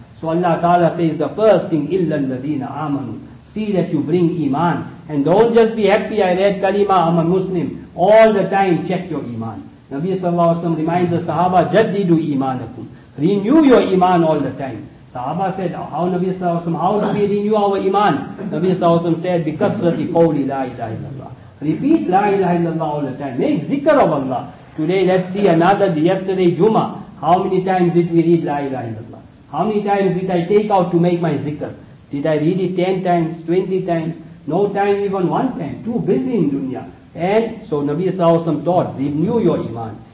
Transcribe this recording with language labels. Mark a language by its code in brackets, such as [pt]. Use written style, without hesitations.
[en] So Allah Ta'ala says the first thing, [ar] إِلَّا الَّذِينَ آمَنُوا. [en] See that you bring iman. And don't just be happy, I read kalima, I'm a Muslim. All the time check your iman. Nabi Sallallahu Alaihi Wasallam reminds the Sahaba, [ar] جَدِّدُوا إِيمَانَكُمْ. [en] Renew your iman all the time. Sahaba said, how Nabi Sallallahu Alaihi Wasallam, how do we renew our iman? [ar] Nabi Sallallahu Alaihi Wasallam said, بِكَسْرَةِ قَوْلِ لَا إِلَهَ إِلَّا اللَّهِ. [en] Repeat La ilaha illallah all the time. Make zikr of Allah. Today, let's see another, yesterday, Juma. How many times did we read La ilaha illallah? How many times did I take out to make my zikr? Did I read it 10 times, 20 times? No time, even one time. Too busy in dunya. And so Nabi Sallallahu Alaihi Wasallam taught, renew your iman.